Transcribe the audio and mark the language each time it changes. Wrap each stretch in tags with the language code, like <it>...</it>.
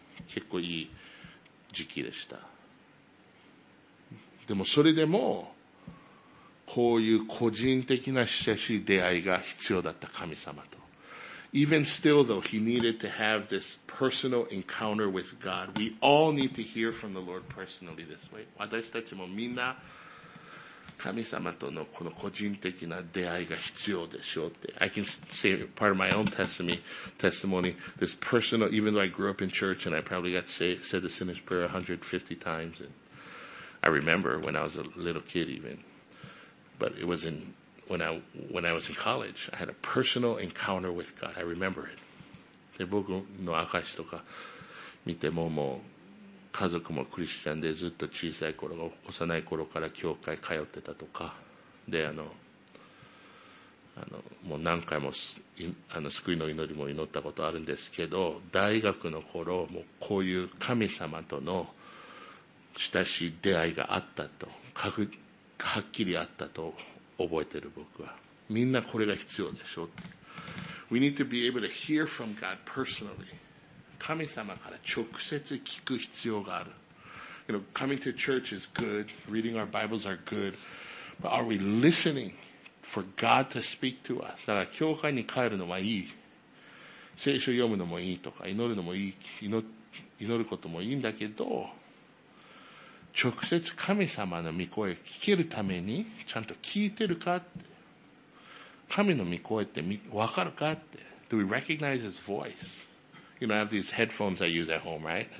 <ja>結構いい時期でした。でもそれでも、こういう個人的な親しい出会いが必要だった神様と。</ja> <en>Even still though, he needed to have this personal encounter with God. We all need to hear from the Lord personally this way.</en> <ja>私たちもみんな神様とのこの個人的な出会いが必要でしょうって。</ja> <en>I can say part of my own testimony, this personal, even though I grew up in church and I probably got said the sinner's prayer 150 times and,I remember when I was a little kid even, but it was when I was in college, I had a personal encounter with God. I remember it.</en> <ja>で、僕の証とか見てももう家族もクリスチャンでずっと小さい頃、幼い頃から教会通ってたとか、で、もう何回も救いの祈りも祈ったことあるんですけど、大学の頃、もうこういう神様との親しい出会いがあったと、はっきりあったと覚えてる僕は。みんなこれが必要でしょうって。</ja> <en>We need to be able to hear from God personally.</en> <ja>神様から直接聞く必要がある。</ja> <en>You know, coming to church is good, reading our Bibles are good, but are we listening for God to speak to us?</en> <ja>だから教会に帰るのはいい。聖書読むのもいいとか、祈るのもいい、祈ることもいいんだけど、直接神様の御声聞けるためにちゃんと聞いてるかって。神の御声ってわかるかって。</ja> <en>Do we recognize his voice? You know, I have these headphones I use at home, right?</en>